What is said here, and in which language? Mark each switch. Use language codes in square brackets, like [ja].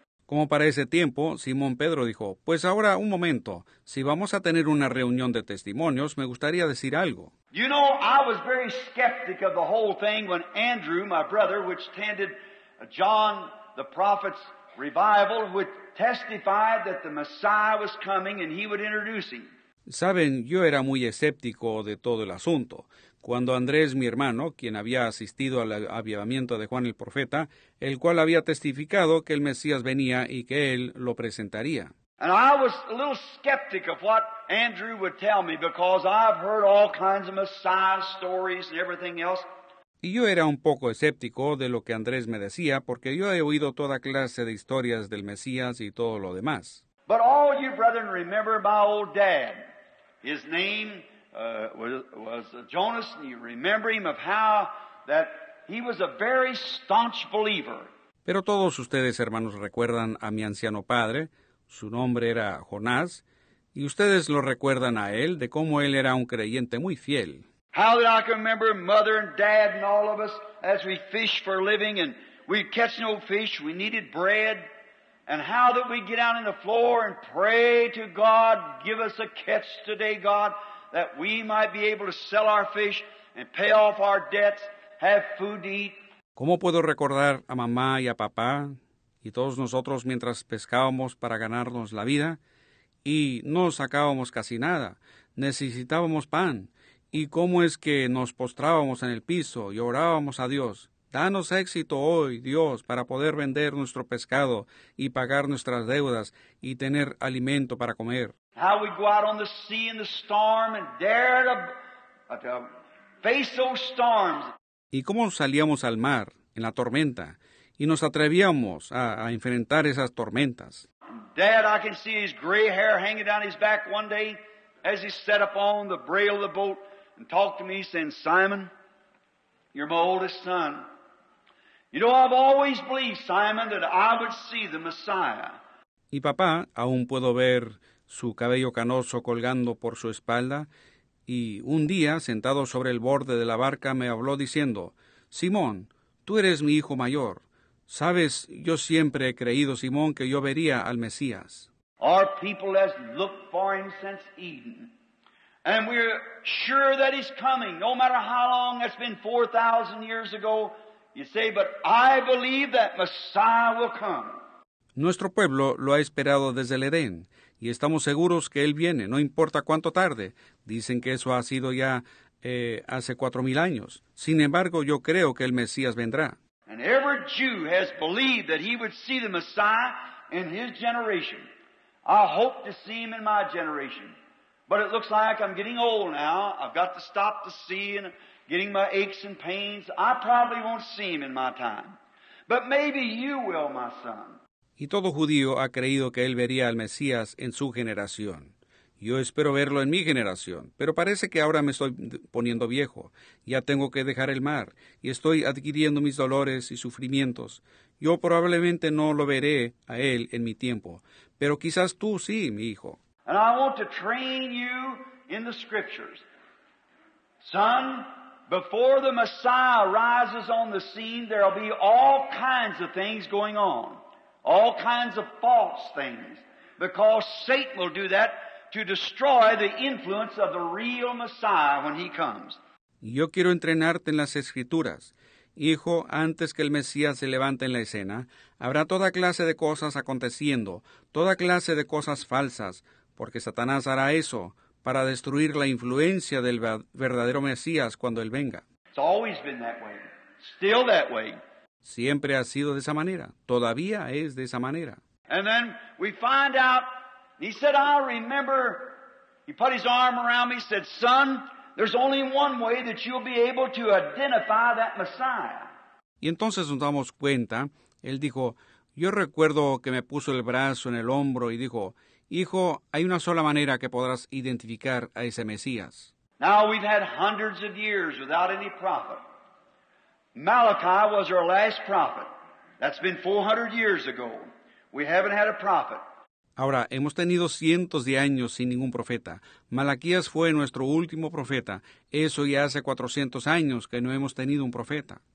[es] Como para ese tiempo, Simón Pedro dijo, pues ahora un momento, si vamos a tener una reunión de testimonios, me gustaría decir algo. [en] You know, I was very skeptic of the whole thing when Andrew, my brother, which attended John the Prophet's revival, would testify that the Messiah was coming and he would introduce him. [es] Saben, yo era muy escéptico de todo el asunto. Cuando Andrés, mi hermano, quien había asistido al avivamiento de Juan el Profeta, el cual había testificado que el Mesías venía y que él lo presentaría. [en] And I was a little skeptic of what Andrew would tell me because I've heard all kinds of Messiah stories and everything else. [es] Y yo era un poco escéptico de lo que Andrés me decía porque yo he oído toda clase de historias del Mesías y todo lo demás. [en] But all you brethren remember my old dad. His name was Jonas, and you remember him of how that he was a very staunch believer. [es] Pero todos ustedes, hermanos, recuerdan a mi anciano padre. Su nombre era Jonás, y ustedes lo recuerdan a él de cómo él era un creyente muy fiel. [en] How that I can remember mother and dad and all of us as we fish for a living, and we'd catch no fish, we needed bread, and how that we'd get out on the floor and pray to God, give us a catch today, God, that we might be able to sell our fish and pay off our debts, have food to eat. [es] ¿Cómo puedo recordar a mamá y a papá y todos nosotros mientras pescábamos para ganarnos la vida y no sacábamos casi nada? Necesitábamos pan. ¿Y cómo es que nos postrábamos en el piso y orábamos a Dios? Danos éxito hoy, Dios, para poder vender nuestro pescado y pagar nuestras deudas y tener alimento para comer. [en] How we go out on the sea in the storm and dare to face those storms. [es] ¿Y cómo salíamos al mar en la tormenta y nos atrevíamos a enfrentar esas tormentas? [en] Dad, I can see his gray hair hanging down his back one day as he sat up on the rail of the boat and talked to me, saying, Simon, you're my oldest son. You know, I've always believed, Simon, that I would see the Messiah. [es] Y papá, aún puedo ver su cabello canoso colgando por su espalda, y un día, sentado sobre el borde de la barca, me habló diciendo, Simón, tú eres mi hijo mayor. Sabes, yo siempre he creído, Simón, que yo vería al Mesías. [en] Our people have looked for him since Eden. And we're sure that he's coming, no matter how long. It's been 4,000 years ago. You say, but I believe that Messiah will come. [es] Nuestro pueblo lo ha esperado desde el Edén, y estamos seguros que él viene, no importa cuánto tarde. Dicen que eso ha sido ya hace 4,000 años. Sin embargo, yo creo que el Mesías vendrá. [en] And every Jew has believed that he would see the Messiah in his generation. I hope to see him in my generation. But it looks like I'm getting old now. I've got to stop to see and getting my aches and pains. I probably won't see him in my time. But maybe you will, my son. [es] Y todo judío ha creído que él vería al Mesías en su generación. Yo espero verlo en mi generación, pero parece que ahora me estoy poniendo viejo. Ya tengo que dejar el mar, y estoy adquiriendo mis dolores y sufrimientos. Yo probablemente no lo veré a él en mi tiempo, pero quizás tú sí, mi hijo. [en] And I want to train you in the scriptures. Son, before the Messiah rises on the scene, there will be all kinds of things going on. All kinds of false things, because Satan will do that to destroy the influence of the real Messiah when he comes. [es] Yo quiero entrenarte en las Escrituras. Hijo, antes que el Mesías se levante en la escena, habrá toda clase de cosas aconteciendo, toda clase de cosas falsas, porque Satanás hará eso para destruir la influencia del verdadero Mesías cuando él venga. [en] It's always been that way. Still that way. [es] Siempre ha sido de esa manera. Todavía es de esa manera. [en] And then we find out, he said, I remember, he put his arm around me, said, son, there's only one way that you'll be able to identify that Messiah. [es] Y entonces nos damos cuenta, él dijo, yo recuerdo que me puso el brazo en el hombro y dijo, hijo, hay una sola manera que podrás identificar a ese Mesías. [en] Now we've had hundreds of years without any prophet. Malachi was our last prophet. That's been 400 years ago. We haven't had a prophet. [es] Ahora, hemos tenido cientos de años sin ningún profeta. Malaquías fue nuestro último profeta. Eso ya hace 400 años que no hemos tenido un profeta.